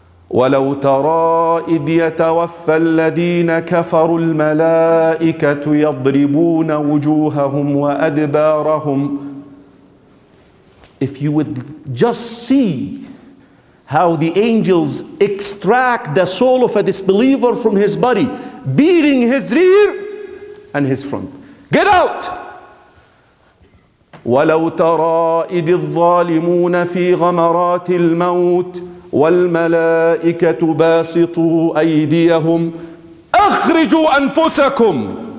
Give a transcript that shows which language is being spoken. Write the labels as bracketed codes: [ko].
[ar] ولو ترى إذ يتوفى الذين كفروا الملائكة يضربون وجوههم وأدبارهم. [en] If you would just see how the angels extract the soul of a disbeliever from his body, beating his rear and his front. Get out! [ar] ولو ترى إذ الظالمون في غمرات الموت والملائكة باسطوا أيديهم أخرجوا أنفسكم.